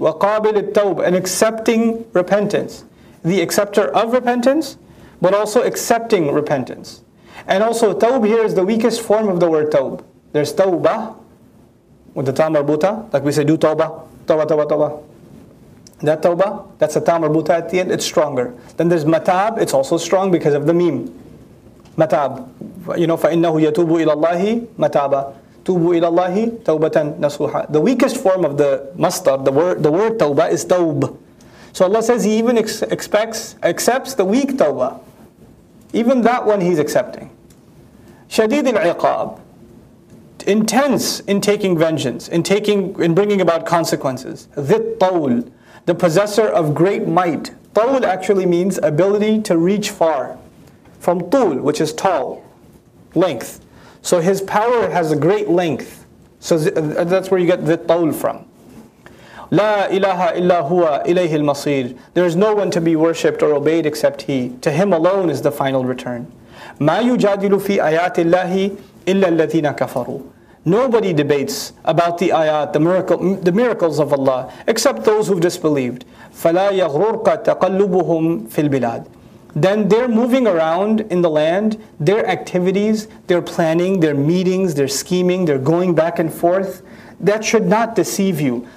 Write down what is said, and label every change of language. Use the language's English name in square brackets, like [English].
[Arabic] Wa qabil al-tawb, [English] and accepting repentance. The acceptor of repentance, but also accepting repentance. And also, tawb here is the weakest form of the word tawb. There's tawbah, with the ta marbuta, like we say, do tawbah, tawbah, tawbah, tawbah. That tawbah, that's a ta' marbuta at the end, it's stronger. Then there's matab, it's also strong because of the meem. Matab. You know, [Arabic] فَإِنَّهُ يَتُوبُ إِلَى اللَّهِ مَتَابًا تُوبُ إِلَى اللَّهِ تَوْبَةً نَصُوحًا. [English] The weakest form of the mustard, the word tawbah is tawb. So Allah says He even accepts the weak tawbah. Even that one He's accepting. [Arabic] شديد العقاب. [English] Intense in taking vengeance, in bringing about consequences. [Arabic] ذِي الطول. [English] The possessor of great might. طول actually means ability to reach far. From طول, which is tall, length. So his power has a great length. So that's where you get the طول from. [Arabic] لا إله إلا هو إليه المصير. [English] There is no one to be worshipped or obeyed except He. To Him alone is the final return. [Arabic] ما يجادل في آيات الله إلا الذين كفروا. [English] Nobody debates about the ayat, the miracles of Allah, except those who've disbelieved. [Arabic] فَلَا يَغْرُرْكَ تَقَلُّبُهُمْ فِي الْبِلَادِ. [English] Then their moving around in the land, their activities, their planning, their meetings, their scheming, their going back and forth, that should not deceive you.